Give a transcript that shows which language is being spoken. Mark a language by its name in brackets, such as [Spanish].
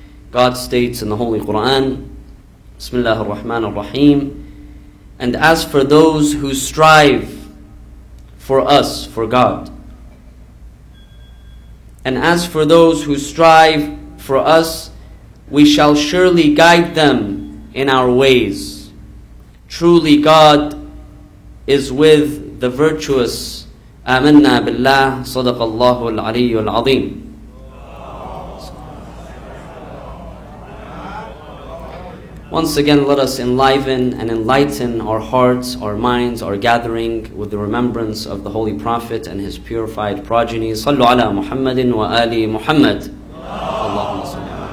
[English] God states in the Holy Quran, [Arabic] بسم الله الرحمن الرحيم: [English] And as for those who strive for us, for God, and as for those who strive for us, we shall surely guide them in our ways. Truly God is with the virtuous. [Arabic] آمنا بالله صدق الله العلي العظيم. [English] Once again, let us enliven and enlighten our hearts, our minds, our gathering with the remembrance of the Holy Prophet and his purified progeny. [Arabic] صلوا على محمد وآل محمد. اللهم صل.